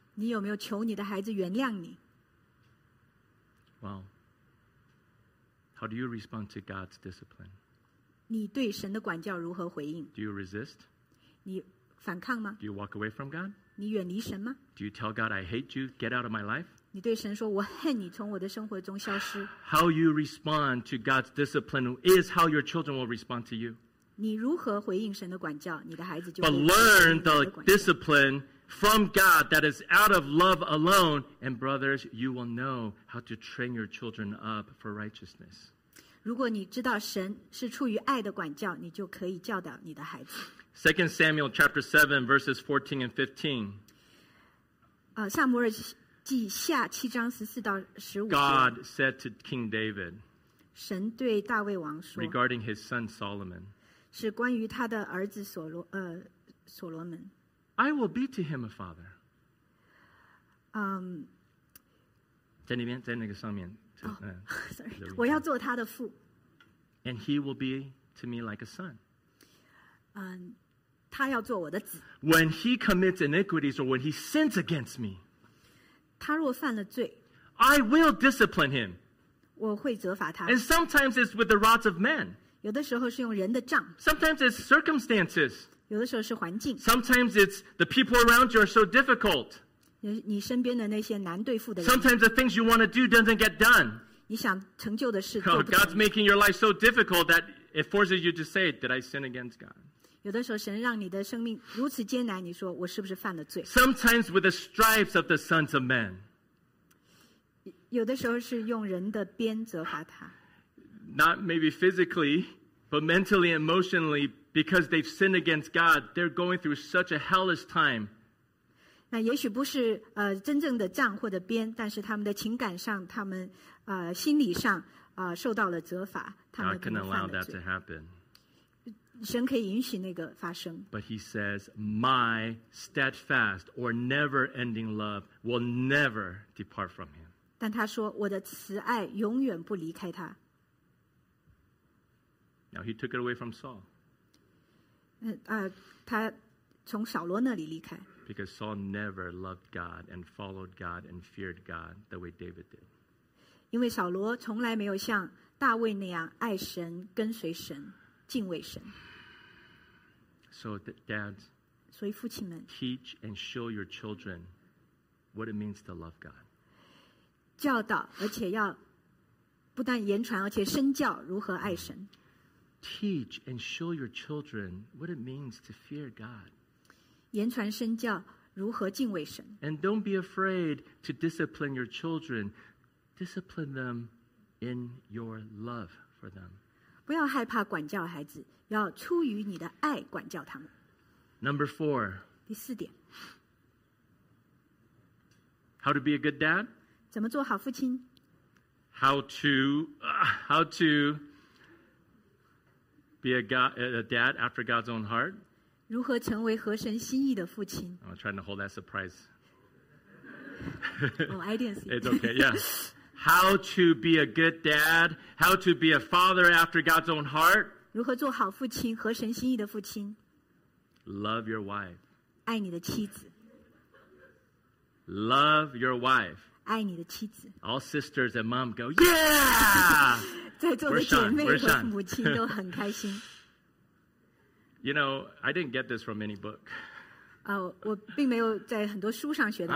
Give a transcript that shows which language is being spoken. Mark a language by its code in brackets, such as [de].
[zh] 你有没有求你的孩子原谅你？ [en] Well, how do you respond to God's discipline? [zh] 你对神的管教如何回应？ [en] Do you resist? [zh] 你反抗吗？ [en] Do you walk away from God? [zh] 你远离神吗？ [en] Do you tell God, I hate you, get out of my life? [zh] 你对神说，我恨你，从我的生活中消失。 [en] How you respond to God's discipline is how your children will respond to you. [zh] 你如何回应神的管教，你的孩子就会。 [en] But learn the discipline from God that is out of love alone. And brothers, you will know how to train your children up for righteousness. [zh] 如果你知道神是出于爱的管教，你就可以教导你的孩子。 [en] 2 Samuel chapter 7 verses 14 and 15. [zh] 撒母耳记下7章14到15节。 [en] God said to King David. [zh] 神对大卫王说。 [en] Regarding his son Solomon. [zh] 是关于他的儿子所罗门。 [en] I will be to him a father. [zh] 在那边，在那个上面。我要做他的父。 [en] And he will be to me like a son. [zh] 他要做我的子。 [en] When he commits iniquities or when he sins against me, [zh] 他若犯了罪， [en] I will discipline him. [zh] 我会责罚他。 [en] And sometimes it's with the rods of men. [zh] 有的时候是用人的杖。 [en] Sometimes it's circumstances. [zh] 有的时候是环境。 [en] Sometimes it's the people around you are so difficult. [zh] 你身边的那些难对付的人。 [en] Sometimes the things you want to do doesn't get done. [zh] 你想成就的事做不成。 [en] God's making your life so difficult that It forces you to say, did I sin against God? [zh] 有的时候神让你的生命如此艰难，你说我是不是犯了罪？ [en] Sometimes with the stripes of the sons of men. [zh] 有的时候是用人的鞭责罚他。 [en] Not maybe physically, but mentally and emotionally, because they've sinned against God, they're going through such a hellish time. [zh] 那也许不是真正的杖或者鞭，但是他们的情感上，他们心理上受到了责罚，他们可能犯了罪。神可以允许那个发生。 [en] But he says, my steadfast or never-ending love will never depart from him. [zh] 但他说，我的慈爱永远不离开他。 [en] Now he took it away from Saul. [zh] 他从扫罗那里离开。 [en] Because Saul never loved God and followed God and feared God the way David did. [zh] 因为扫罗从来没有像大卫那样爱神、跟随神。敬畏神。 [en] So dads, [zh] 所以父亲们 [en] teach and show your children what it means to love God. [zh] 教导，而且要不但言传，而且身教如何爱神。 [en] Teach and show your children what it means to fear God. [zh] 言传身教如何敬畏神。 [en] And don't be afraid to discipline your children. Discipline them in your love for them. [zh] 不要害怕管教孩子，要出于你的爱管教他们。 [en] Number four， [zh] 第四点 [en] ，How to be a good dad？ [zh] 怎么做好父亲 [en] ？How to be a dad after God's own heart？ [zh] 如何成为合神心意的父亲 [en] ？I'm trying to hold that surprise. Oh, I didn't see. It's okay. Yes.、Yeah. How to be a good dad? How to be a father after God's own heart? [zh] 如何做好父亲，合神心意的父亲？ [en] Love your wife. [zh] 爱你的妻子。 [en] Love your wife. [zh] 爱你的妻子。 [en] All sisters and mom go, yeah! [zh] 在座的姐妹和母亲都很开心。 [en] You know, I didn't get this from any book. [zh] 我并没有在很多书上学到。